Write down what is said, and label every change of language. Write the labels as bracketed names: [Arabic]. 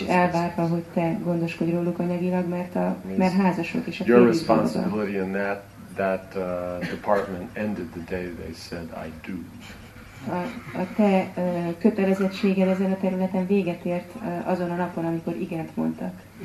[Hungarian] Nincs elvárva, hogy te gondoskodj róluk anyagilag, mert házasok is a [English] férjük. Your responsibility in that department ended the day they said I do. [Hungarian] A te kötelezettséged ezen a területen véget ért azon a napon, amikor igent mondtak.